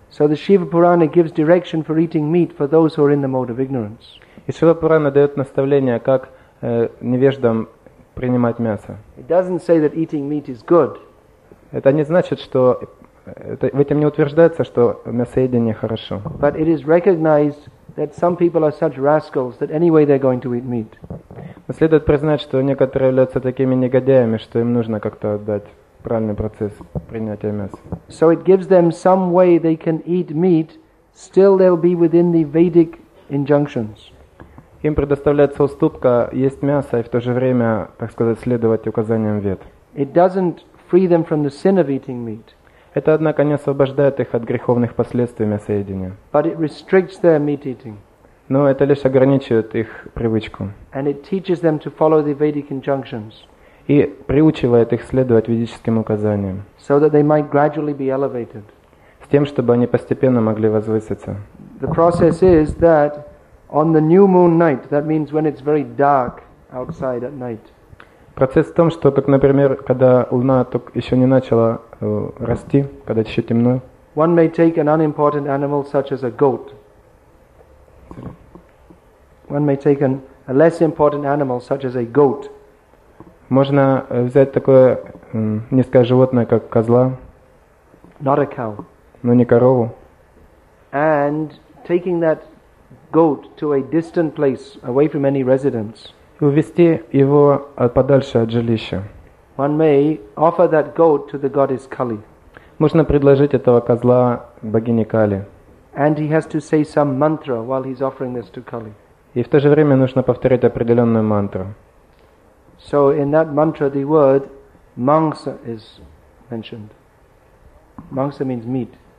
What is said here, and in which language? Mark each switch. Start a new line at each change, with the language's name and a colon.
English: So the Shiva Purana gives direction for eating meat for those who are in the mode of ignorance.
Russian: И Шива Пурана дает наставление, как невеждам принимать мясо.
English: It doesn't say that eating meat is good.
Russian: Это не значит, что это, в этом не утверждается, что мясоедение хорошо.
English: But it is recognized that some people are such rascals that anyway they're going to eat meat.
Russian: Но следует признать, что некоторые являются такими негодяями, что им нужно как-то отдать правильный процесс принятия мяса.
English: So it gives them some way they can eat meat, still they'll be within the Vedic injunctions.
Russian: Им предоставляется уступка есть мясо и в то же время, так сказать, следовать указаниям Вед.
English: It doesn't free them from the sin of eating meat.
Russian: Это, однако, не освобождает их от греховных последствий мясоедения.
English: But it restricts their meat eating.
Russian: Но это лишь ограничивает их привычку.
English: And it teaches them to follow the Vedic injunctions.
Russian: И приучивает их следовать ведическим указаниям.
English: So that they might gradually be elevated.
Russian: С тем, чтобы они постепенно могли возвыситься.
English: The process is that on the new moon night, that means when it's very dark outside at night.
Russian: Процесс в том, что, как, например, когда луна только еще не начала расти, когда еще темно.
English: One may take an unimportant animal such as a goat. One may take a less important animal such as a goat.
Russian: Можно взять такое низкое животное, как козла.
English: Not a cow.
Russian: Но не корову.
English: And taking that goat to a distant place, away from any residents.
Russian: И увести его подальше от жилища.
English: One may offer that goat to the goddess Kali.
Russian: Можно предложить этого козла богине Кали.
English: And he has to say some mantra while he's offering this to Kali.
Russian: И в то же время нужно повторить определенную мантру.
English: So in that mantra the word mangsa is mentioned. Mangsa means meat.